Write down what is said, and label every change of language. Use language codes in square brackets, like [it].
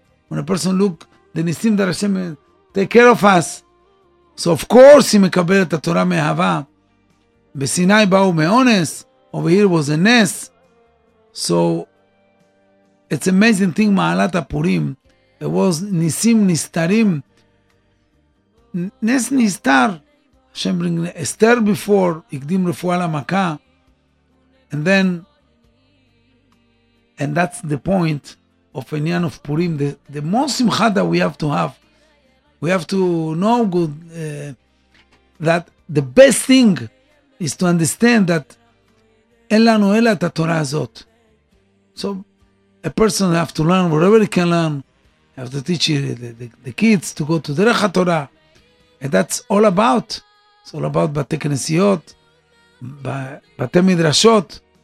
[en] When a person look, the ניסים that Hashem take care of us. So of course he [he] מקבל את התורה מאהבה. בסיני באו מאונס. [en] Over here was a nes. So it's amazing thing, [he] מעלת הפורים. [en] It was [he] ניסים נסתרים. נס נסתר. [en] Hashem bring Esther before Ikdim Refuah LaMakah, and that's the point of Enyan of Purim. The most simcha that we have to have, we have to know good that the best thing is to understand that [he] En lanu ela ta Torah hazot. [en] So a person have to learn whatever he can learn. Have to teach the kids to go to Derech HaTorah, and that's all about. It's all about [he] בתי כנסיות, בתי מדרשות.